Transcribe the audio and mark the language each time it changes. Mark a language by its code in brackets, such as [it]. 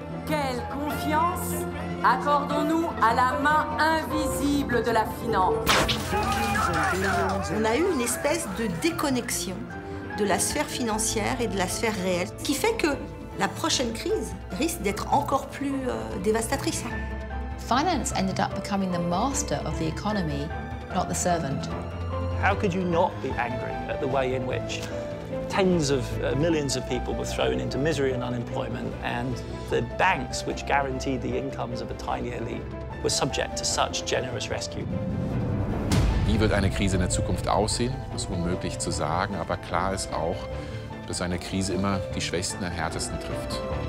[fr] Quelle confiance accordons-nous à la main invisible de la finance? On a eu une espèce de déconnexion de la sphère financière et de la sphère réelle qui fait que la prochaine crise risque d'être encore plus dévastatrice. [en] Finance ended up becoming the master of the economy, not the servant. How could you not be angry at the way in which tens of millions of people were thrown into misery and unemployment, and the banks, which guaranteed the incomes of a tiny elite, were subject to such generous rescue? [de] Wie wird eine Krise in der Zukunft aussehen? Das ist unmöglich zu sagen, aber klar ist auch, dass eine Krise immer die Schwächsten am härtesten trifft.